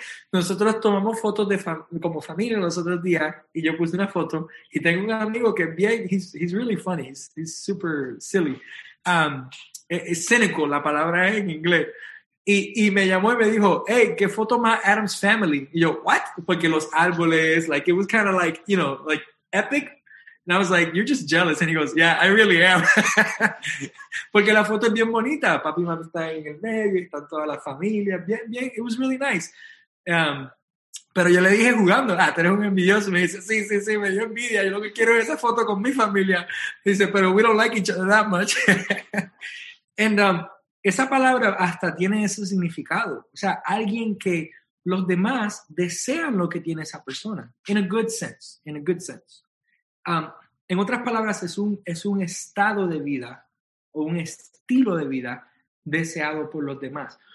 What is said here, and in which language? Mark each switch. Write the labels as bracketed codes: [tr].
[es] Nosotros tomamos fotos de como familia los otros días y yo puse una foto y tengo un amigo que [en] he's really funny, he's super silly, [es] cynical, la palabra es en inglés, y me llamó y me dijo, hey, ¿qué foto más Adam's Family? Y yo, what? Porque los árboles, [en] like, it was kind of like, you know, like, epic. And I was like, you're just jealous. And he goes, yeah, I really am. [es] Porque la foto es bien bonita. Papi y mamá están en el medio, están toda la familia. Bien, bien. [en] It was really nice. [es] Pero yo le dije jugando, ah, tú eres un envidioso. Me dice, sí, me dio envidia. Yo lo que quiero es esa foto con mi familia. Dice, pero [en] we don't like each other that much. [es] And esa palabra hasta tiene ese significado. O sea, alguien que los demás desean lo que tiene esa persona. [en] In a good sense, in a good sense. [es] En otras palabras, es un estado de vida o un estilo de vida deseado por los demás.